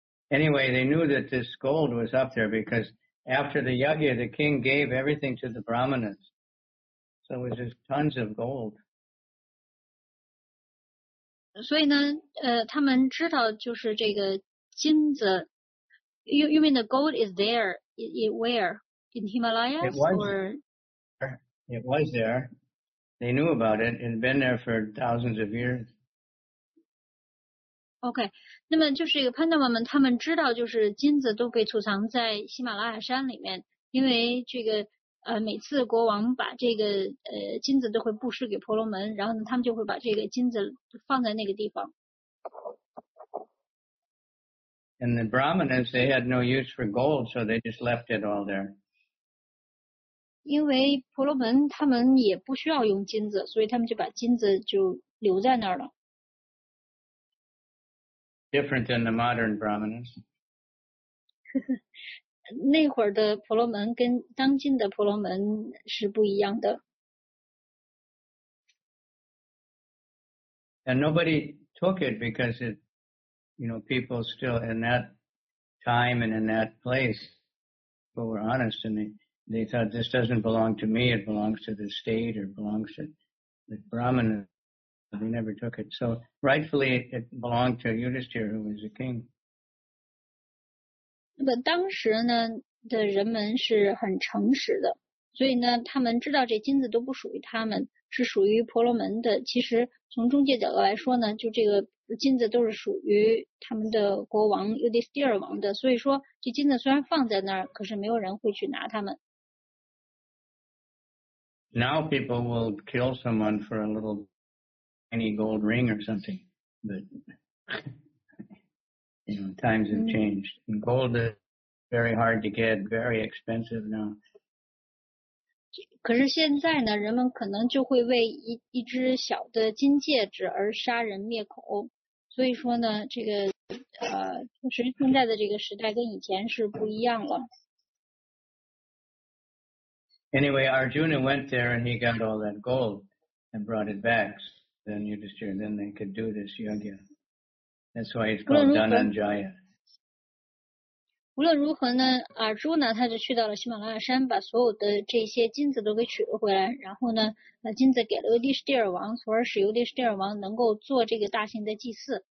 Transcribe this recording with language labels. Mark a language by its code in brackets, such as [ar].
[en] Anyway, they knew that this gold was up there because after the yagya, the king gave everything to the brahmanas. So it was just tons of gold. [zh] 所以呢，他们知道就是这个金子。 [en] You mean the gold is there? Where? In Himalayas? It was there. They knew about it. It had been there for thousands of years. [zh] OK, 那么就是这个潘达玛们他们知道就是金子都被储藏在喜马拉雅山里面，因为这个每次国王把这个金子都会布施给婆罗门，然后呢他们就会把这个金子放在那个地方。 [en] And the Brahmanas, they had no use for gold, so they just left it all there. [zh] 因为婆罗门他们也不需要用金子，所以他们就把金子就留在那儿了。 [en] Different than the modern Brahmanas. [zh] 那会儿的婆罗门跟当今的婆罗门是不一样的。 [en] And nobody took it because it, you know, people still in that time and in that place, but were honest and they thought this doesn't belong to me, it belongs to the state or belongs to the Brahmanas. They never took it. So rightfully, it belonged to Yudhishthira, who was the king. But [zh] 当时呢的人们是很诚实的，所以呢，他们知道这金子都不属于他们，是属于婆罗门的。其实从中介角度来说呢，就这个金子都是属于他们的国王 Yudhishthira 王的。所以说，这金子虽然放在那儿，可是没有人会去拿他们。 [en] Now people will kill someone for a little. Any gold ring or something, but you know, times have changed. And gold is very hard to get, very expensive now. [zh] 可是现在呢，人们可能就会为一只小的金戒指而杀人灭口。所以说呢，这个就是现在的这个时代跟以前是不一样了。 [en] Anyway, Arjuna went there and he got all that gold and brought it back. Then you just hear, then they could do this yoga. That's why it's called Dhananjaya. [zh] 无论如何呢，阿朱呢，他就去到了喜马拉雅山，把所有的这些金子都给取了回来，然后呢，把金子给了尤迪士帝尔王，从而使尤迪士帝尔王能够做这个大型的祭祀。